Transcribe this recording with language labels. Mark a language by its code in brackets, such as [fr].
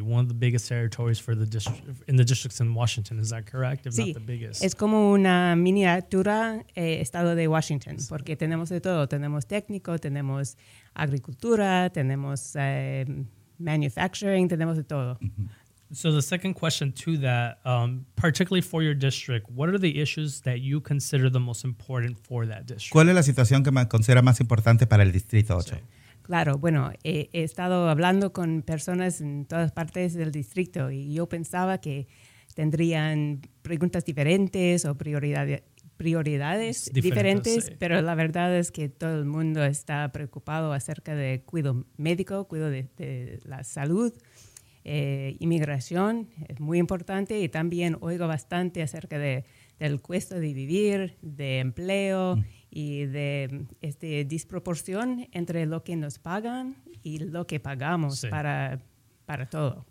[en] One of the biggest territories for the districts in Washington. Is that correct? If not the biggest. [es] Es como una miniatura estado de Washington, porque tenemos de todo. Tenemos técnico, tenemos agricultura, tenemos manufacturing, tenemos de todo. [en] So the second question to that, particularly for your district, what are the issues that you consider the most important for that district? [es] ¿Cuál es la situación que considera más importante para el Distrito 8? Sí. Claro, bueno, he estado hablando con personas en todas partes del distrito y yo pensaba que tendrían preguntas diferentes o prioridades diferentes, sí. Pero la verdad es que todo el mundo está preocupado acerca de cuidado médico, cuidado de la salud, inmigración, es muy importante, y también oigo bastante acerca del costo de vivir, de empleo, y de disproporción entre lo que nos pagan y lo que pagamos para todo.